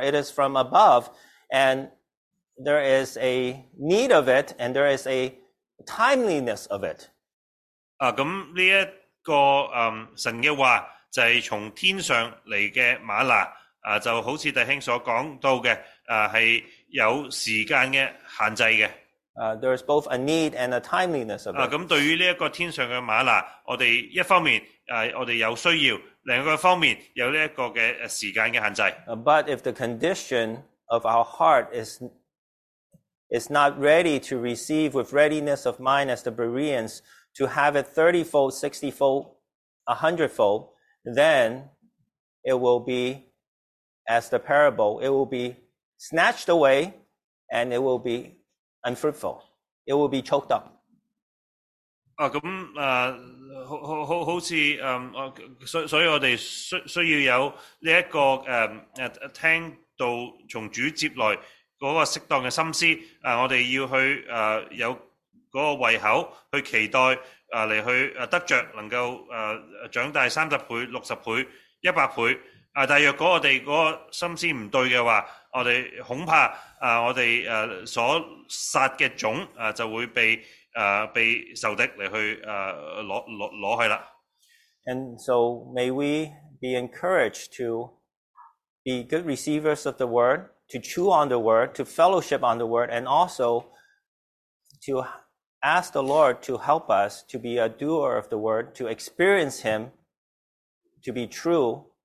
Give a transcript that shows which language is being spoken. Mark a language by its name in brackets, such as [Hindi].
[English] It is from above. And there is a need of it and there is a timeliness of it. [Cantonese] 啊，咁呢一个神嘅话就系从天上嚟嘅玛拿，就好似弟兄所讲到嘅，系有时间嘅限制嘅。 [English] There is both a need and a timeliness of it. [Cantonese] 啊，咁对于呢一个天上嘅玛拿，我哋一方面我哋有需要，另一方面有呢一个嘅时间嘅限制。 [English] But if the condition of our heart is not ready to receive with readiness of mind as the Bereans to have it 30-fold, 60-fold, 100-fold, then it will be as the parable. It will be snatched away, and it will be. Unfruitful. It will be choked up. [Cantonese] 啊，咁好似所以我哋需要有呢一个听到从主接来嗰个适当嘅心思，我哋要去有嗰个胃口去期待嚟去得着，能够长大30倍、60倍、100倍。但若果我哋嗰个心思唔对嘅话，我哋恐怕我哋所撒嘅种就会被仇敌嚟去攞去啦。 [English] And so may we be encouraged to be good receivers of the word, to chew on the word, to fellowship on the word, and also to ask the Lord to help us to be a doer of the word, to experience Him, to be true.